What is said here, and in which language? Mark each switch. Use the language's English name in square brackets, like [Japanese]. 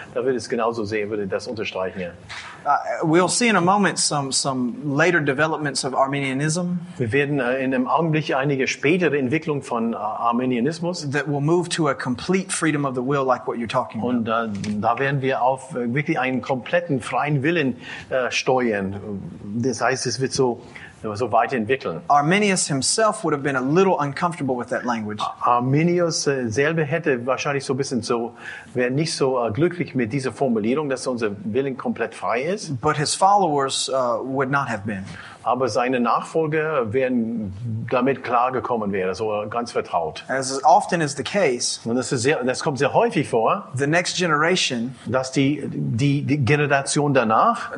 [German] Da würde ich es genauso sehen, würde das unterstreichen, ja. [English] We'll see in a moment some later developments of Arminianism. [German] Wir werden in einem Augenblick einige spätere Entwicklungen von Arminianismus. [English] That will move to a complete freedom of the will, like what you're talking [German] und, [English] about. [German] Und da werden wir auf wirklich einen kompletten freien Willen steuern. Das heißt, es wird so weiterentwickeln. [English] Arminius himself would have been a little uncomfortable with that language. [German] Arminius selber hätte wahrscheinlich so ein bisschen so, wäre nicht so glücklich mit dieser Formulierung, dass unser Willen komplett frei ist. [English] But his followers would not have been. [German] Aber seine Nachfolger wären damit klargekommen, wäre so ganz vertraut. [English] As often is the case, [German] und das kommt sehr häufig vor, [English] the next generation, [German] dass die Generation danach